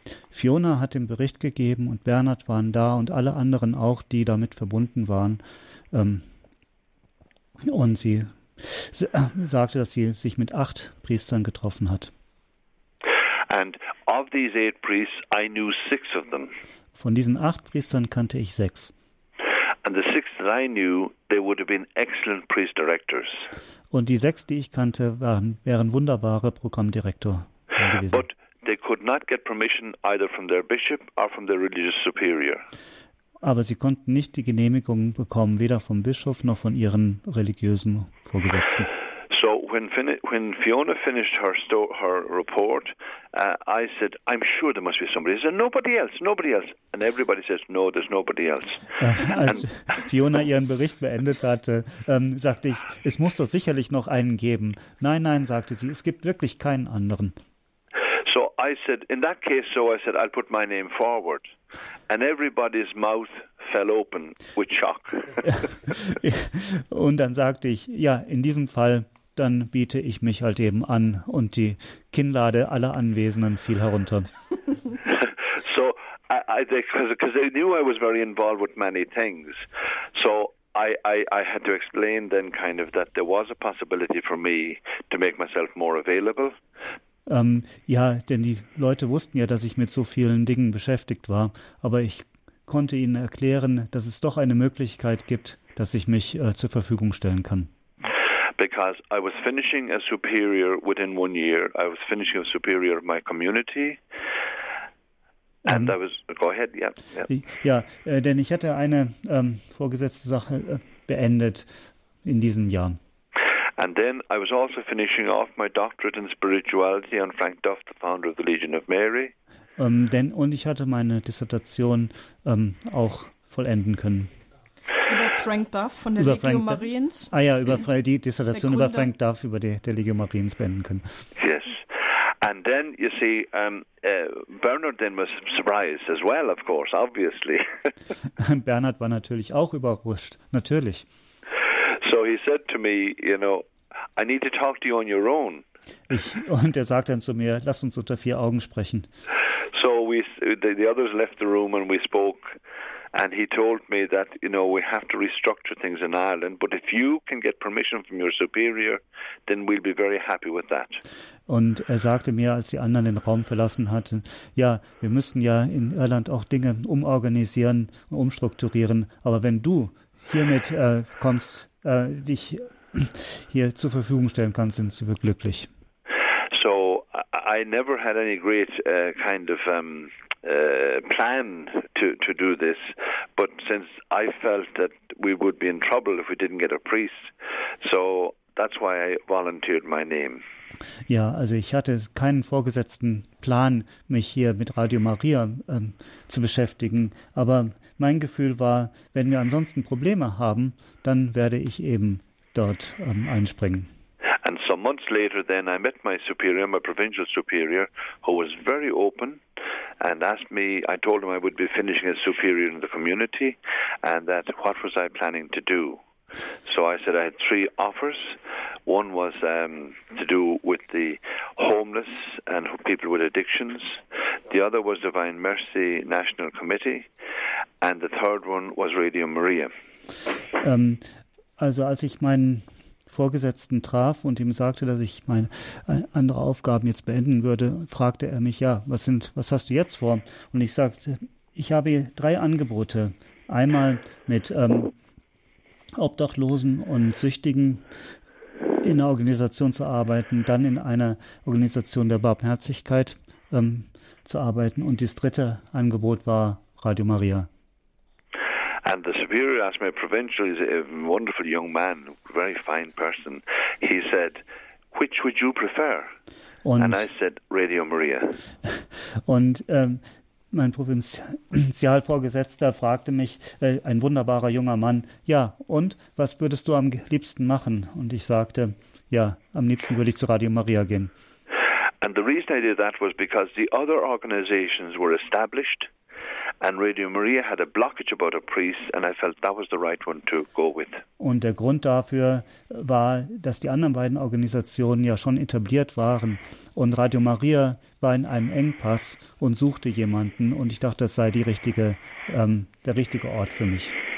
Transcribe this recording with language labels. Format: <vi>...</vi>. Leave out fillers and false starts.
<de>Fiona hat den Bericht gegeben, und Bernard waren da, und alle anderen auch, die damit verbunden waren, und sie sagte, dass sie sich mit 8 Priestern getroffen hat.</de> <en>And of these 8 priests, I knew 6 of them.</en> <de>Von diesen 8 Priestern kannte ich 6.</de> <en>And the 6 that I knew, they would have been excellent priest directors.</en> <de>Und die 6, die ich kannte, wären wunderbare Programmdirektor gewesen.</de> <en>But they could not get permission either from their bishop or from their religious superior.</en> <de>Aber sie konnten nicht die Genehmigung bekommen, weder vom Bischof noch von ihren religiösen Vorgesetzten.</de> <en>So when Fiona finished her report, I said, I'm sure there must be somebody. She said, nobody else. And everybody says, no, there's nobody else.</en> <de>Als Fiona ihren Bericht beendet hatte, sagte ich, es muss doch sicherlich noch einen geben. Nein, sagte sie, es gibt wirklich keinen anderen.</de> <en>So I said, in that case, I'll put my name forward. And everybody's mouth fell open with shock.</en> <de>Und dann sagte ich, ja, in diesem Fall, dann biete ich mich halt eben an, und die Kinnlade aller Anwesenden fiel herunter.</de> <en>So, because they knew I was very involved with many things, so I had to explain then kind of that there was a possibility for me to make myself more available.</en> <de>Ja, denn die Leute wussten ja, dass ich mit so vielen Dingen beschäftigt war, aber ich konnte ihnen erklären, dass es doch eine Möglichkeit gibt, dass ich mich zur Verfügung stellen kann.</de> <en>Because I was finishing a superior within 1 year. I was finishing a superior of my community. And I was, go ahead, yeah.</en> <de>Ja, denn ich hatte eine vorgesetzte Sache beendet in diesem Jahr.</de> <en>And then I was also finishing off my doctorate in spirituality on Frank Duff, the founder of the Legion of Mary.</en> <de>Und ich hatte meine Dissertation auch vollenden können. Über Frank Duff von der Legio Mariens. Über die Dissertation über Frank Duff über der Legio Mariens beenden können.</de> <en>Yes. And then, you see, Bernard then was surprised as well, of course, obviously.</en> <de>Bernard war natürlich auch überrascht, natürlich.</de> <en>So he said to me, you know, I need to talk to you on your own.</en> <de>Und er sagt dann zu mir, lass uns unter 4 Augen sprechen.</de> <en>So the others left the room and we spoke. And he told me that, you know, we have to restructure things in Ireland, but if you can get permission from your superior, then we'll be very happy with that.</en> <de>Und er sagte mir, als die anderen den Raum verlassen hatten, ja, wir müssen ja in Irland auch Dinge umorganisieren und umstrukturieren, aber wenn du hiermit kommst, dich hier zur Verfügung stellen kannst, sind wir glücklich.</de> <en>So, I never had any great plan to do this, but since I felt that we would be in trouble if we didn't get a priest, so that's why I volunteered my name.</en> <de>Ja, also ich hatte keinen vorgesetzten Plan, mich hier mit Radio Maria zu beschäftigen, aber mein Gefühl war, wenn wir ansonsten Probleme haben, dann werde ich eben dort einspringen.</de> <en>And some months later then I met my superior, my provincial superior, who was very open. and asked me, I told him I would be finishing as superior in the community, and that what was I planning to do? So I said I had three offers. One was to do with the homeless and people with addictions. The other was Divine Mercy National Committee. And the third one was Radio Maria.</en> <de>Also als ich meinen Vorgesetzten traf und ihm sagte, dass ich meine andere Aufgaben jetzt beenden würde, fragte er mich, ja, was hast du jetzt vor? Und ich sagte, ich habe drei Angebote. Einmal mit Obdachlosen und Süchtigen in einer Organisation zu arbeiten, dann in einer Organisation der Barmherzigkeit zu arbeiten. Und das dritte Angebot war Radio Maria.</de> <en>And the superior asked me, provincial, he's a wonderful young man, very fine person. He said, which would you prefer? And I said, Radio Maria.</en> <de>Und mein Provinzialvorgesetzter fragte mich, ein wunderbarer junger Mann, ja, und was würdest du am liebsten machen? Und ich sagte, ja, am liebsten würde ich zu Radio Maria gehen.</de> <en>And the reason I did that was because the other organizations were established. And Radio Maria had a blockage about a priest, and I felt that was the right one to go with.</en> <de>Und der Grund dafür war, dass die anderen beiden Organisationen ja schon etabliert waren, und Radio Maria war in einem Engpass und suchte jemanden, und ich dachte, das sei die richtige, der richtige Ort für mich.</de>